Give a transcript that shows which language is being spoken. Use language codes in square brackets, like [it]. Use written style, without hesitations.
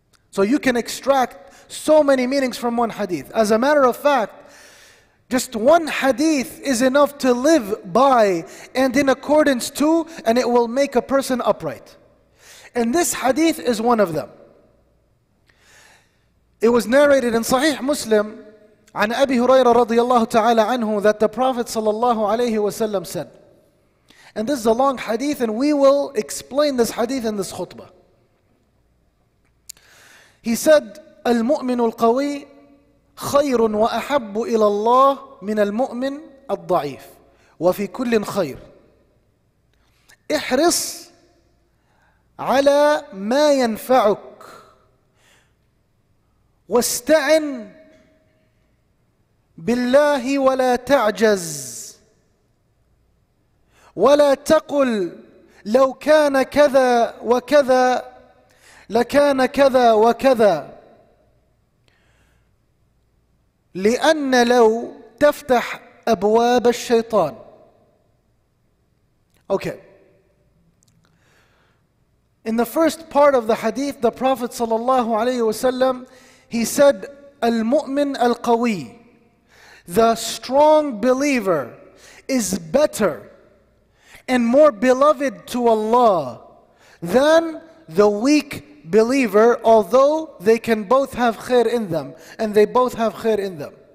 [en] So you can extract so many meanings from one hadith. As a matter of fact, just one hadith is enough to live by and in accordance to, and it will make a person upright. And this hadith is one of them. It was narrated in Sahih Muslim, [ar] عن أبي هريرة رضي الله تعالى عنه, [en] that the Prophet [ar] صلى الله عليه وسلم [en] said. And this is a long hadith, and we will explain this hadith in this khutbah. He said, [ar] المؤمن القوي خير وأحب إلى الله من المؤمن الضعيف وفي كل خير. احرص على ما ينفعك واستعن بالله ولا تعجز ولا تقل لو كان كذا وكذا لكان كذا وكذا، لأن لو تفتح أبواب الشيطان. [en] Okay. In the first part of the hadith, the Prophet sallallahu alayhi wasallam, he said, "Al-mu'min al-qawi," the strong believer is better and more beloved to Allah than the weak believer, although they can both have khair in them, and they both have khair in them.